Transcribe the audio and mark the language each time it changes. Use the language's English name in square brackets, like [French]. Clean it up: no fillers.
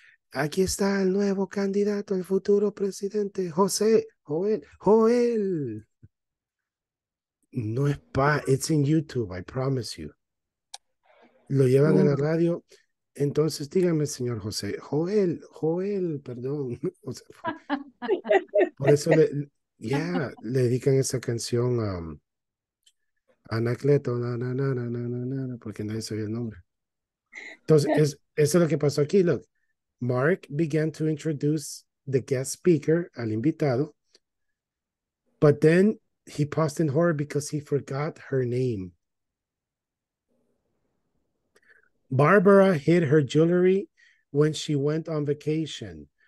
[Spanish] Aquí está el nuevo candidato, el futuro presidente, José, Joel. No es pa, [English] it's in YouTube, I promise you. [Spanish] Lo llevan a la radio. Entonces, dígame, señor José, Joel, perdón. O sea, por eso le dedican esa canción a Anacleto, na, porque nadie sabía el nombre. Entonces, eso es lo que pasó aquí, [English] look. Mark began to introduce the guest speaker, [Spanish] al invitado, [English] but then he paused in horror because he forgot her name. Barbara hid her jewelry when she went on vacation.